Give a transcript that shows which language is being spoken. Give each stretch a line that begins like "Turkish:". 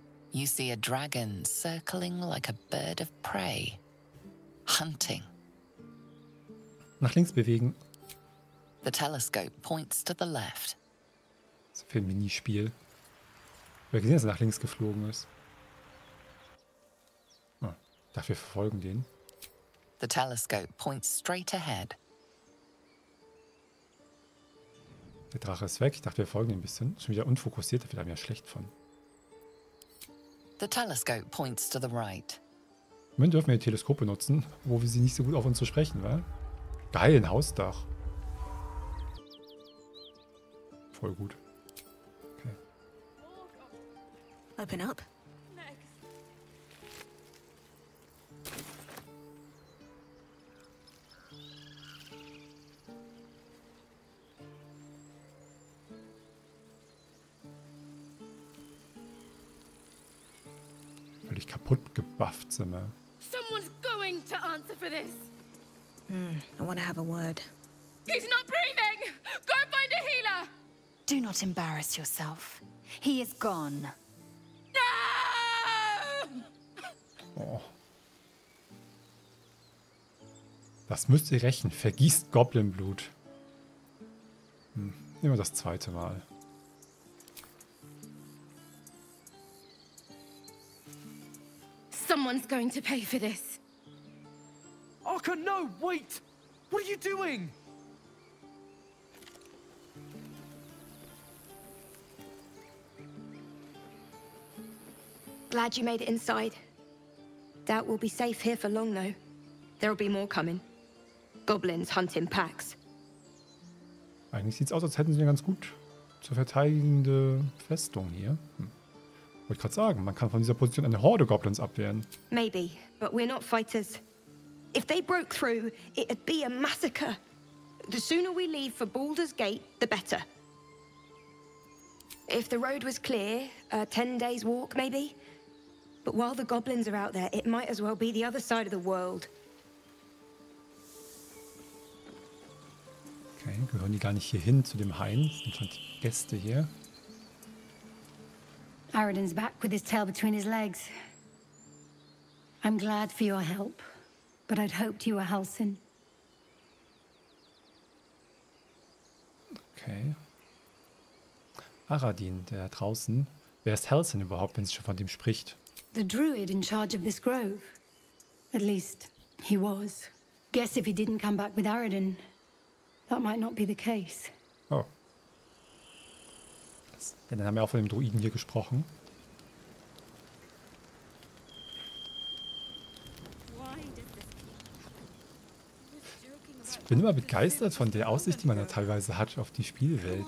English: You see a dragon circling like a bird of prey. Hunting.
German: Nach links bewegen.
English: The telescope points to the left.
German: Für ein Minispiel. Ich habe gesehen, dass er nach links geflogen ist. Dafür verfolgen den.
English: The telescope points straight ahead.
German: Der Drache ist weg. Ich dachte, wir folgen ihm ein bisschen. Schon wieder unfokussiert, da wird einem ja schlecht von.
English: The telescope points to the right.
German: Moment, dürfen wir die Teleskope nutzen, wo wir sie nicht so gut auf uns zu sprechen, wa? Geil, ein Hausdach. Voll gut. Okay.
English: Open up.
German: Kaputt gebufft sind wir.
English: Someone's going to answer for this. I want to have a word. He's not breathing. Go find a healer. Do not embarrass yourself. He is gone. No! Oh.
German: Das müsst ihr rächen. Vergießt Goblinblut. Nehmen wir das zweite Mal.
English: Someone's going to pay for this. Arca, no, wait! What are you doing? Glad you made it inside. Doubt we'll be safe here for long, though. There'll be more coming. Goblins hunt in packs.
German: Eigentlich sieht's aus, als hätten sie eine ganz gut zu verteidigende Festung hier. Wollte gerade sagen, man kann von dieser Position eine Horde Goblins abwehren.
English: Maybe, but we're not fighters. If they broke through, it'd be a massacre. The sooner we leave for Baldur's Gate, the better. If the road was clear, a 10 days walk maybe. But while the goblins are out there, it might as well be the other side of the world.
German: Okay, gehören die gar nicht hier hin zu dem Hain? Das sind schon Gäste hier.
English: Aridan's back with his tail between his legs. I'm glad for your help, but I'd hoped you were Halsin.
German: Okay. Aradin, der draußen. Wer ist Halsin überhaupt, wenn sie schon von dem spricht?
English: The druid in charge of this grove. At least, he was. Guess if he didn't come back with Aridan, that might not be the case. Oh.
German: Denn dann haben wir auch von dem Druiden hier gesprochen. Ich bin immer begeistert von der Aussicht, die man da teilweise hat auf die Spielwelt.